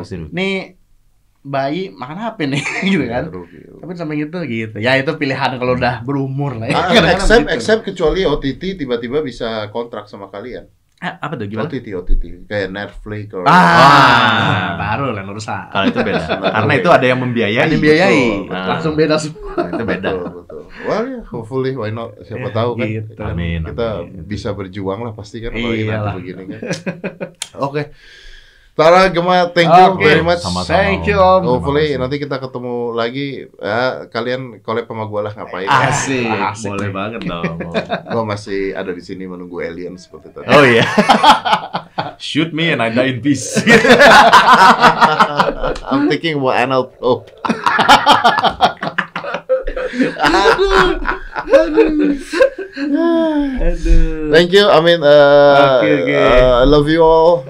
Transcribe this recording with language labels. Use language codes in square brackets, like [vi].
[id] Nih bayi makan apa nih gitu kan? Rugi. Tapi sampai gitu gitu. Ya itu pilihan kalau udah berumur lah. [en] Except [id] kecuali OTT tiba-tiba bisa kontrak sama kalian. Apa tuh gimana? OTT kayak Netflix atau baru lah urusan. Kalau itu beda. Karena itu ada yang membiayai. Membiayai. Betul. Langsung beda semua. Nah, itu beda. Betul. [en] Well, yeah, hopefully why not? [id] Siapa tahu kan. Gitu. Amin. Kita amin. Bisa berjuang lah pasti kan kalau kita begini kan. Oke. [en] Tara Gemma, thank you very much. [id] Sama-sama. Thank you, Om. [en] Hopefully [id] nanti kita ketemu lagi. Ya, kalian collab sama gue lah ngapain? Asik. Boleh banget dong. Gue masih ada di sini menunggu alien seperti itu. Oh iya. [en] Shoot me and I die in peace. I'm thinking about NLP. Aduh. Thank you. I mean, I love you all.